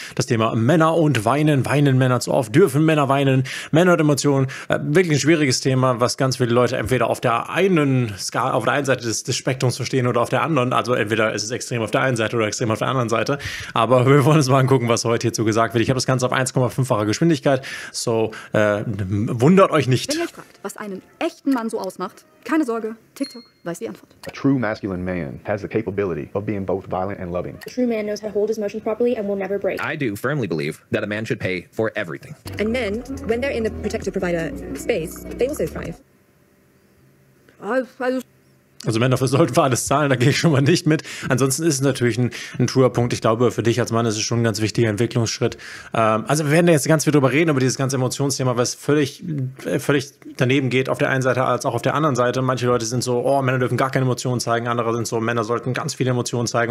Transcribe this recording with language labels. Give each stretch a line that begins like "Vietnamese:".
German: Das Thema Männer und Weinen, weinen Männer zu oft, dürfen Männer weinen, Männer und Emotionen, wirklich ein schwieriges Thema, was ganz viele Leute entweder auf der einen Skala, auf der einen Seite des Spektrums verstehen oder auf der anderen, also entweder ist es extrem auf der einen Seite oder extrem auf der anderen Seite, aber wir wollen uns mal angucken, was heute hierzu gesagt wird. Ich habe das Ganze auf 1,5-facher Geschwindigkeit, so wundert euch nicht. Wenn ihr euch fragt, was einen echten Mann so ausmacht, keine Sorge, TikTok.
English: A true masculine man has the capability of being both violent and loving. A true man knows how to hold his emotions properly and will never break. I do firmly believe that a man should pay for everything. And men, when they're in the protective provider space, they also thrive.
German: Also Männer sollten für alles zahlen, da gehe ich schon mal nicht mit. Ansonsten ist es natürlich ein truer Punkt. Ich glaube, für dich als Mann ist es schon ein ganz wichtiger Entwicklungsschritt. Also wir werden da jetzt ganz viel drüber reden, über dieses ganze Emotionsthema, was völlig daneben geht, auf der einen Seite als auch auf der anderen Seite. Manche Leute sind so, oh, Männer dürfen gar keine Emotionen zeigen. Andere sind so, Männer sollten ganz viele Emotionen zeigen.